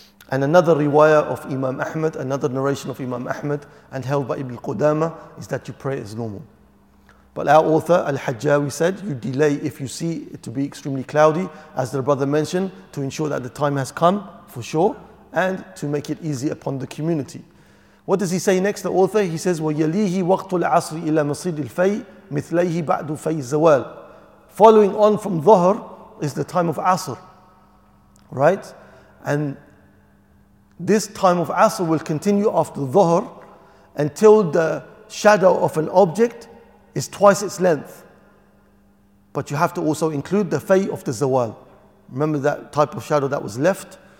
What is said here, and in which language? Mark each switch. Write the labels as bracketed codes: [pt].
[en] And another riwayah of Imam Ahmad, another narration of Imam Ahmad and held by Ibn Qudama, is that you pray as normal. But our author, Al-Hajjawi, said you delay if you see it to be extremely cloudy, as the brother mentioned, to ensure that the time has come for sure and to make it easy upon the community. What does he say next, the author? He says, [ar] وَيَلِيهِ وَقْتُ الْعَصْرِ إِلَى مَصِيدِ الْفَيْءِ مِثْلَيْهِ بَعْدُ فَيْءِ الزَّوَالِ. [en] Following on from dhuhr is the time of Asr, right? And this time of Asr will continue after dhuhr until the shadow of an object is twice its length. But you have to also include the fay of the zawal. Remember that type of shadow that was left?